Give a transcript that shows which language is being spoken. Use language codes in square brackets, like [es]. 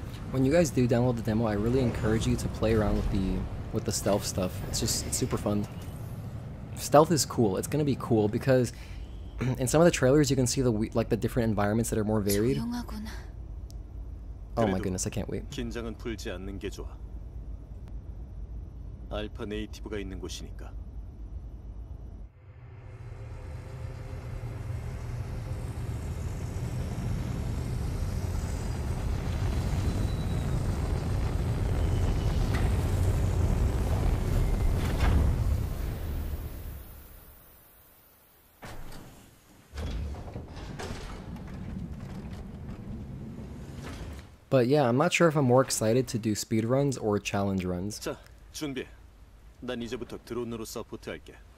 [en] When you guys do download the demo, I really encourage you to play around with the stealth stuff. It's just super fun. Stealth is cool. It's gonna be cool because in some of the trailers you can see the different environments that are more varied. Oh my goodness, I can't wait. [ko] 긴장은 풀지 않는 게 좋아. 알파 네이티브가 있는 곳이니까. [en] But yeah, I'm not sure if I'm more excited to do speedruns or challenge runs. [ko] 자, 준비. 난 이제부터 드론으로 서포트할게.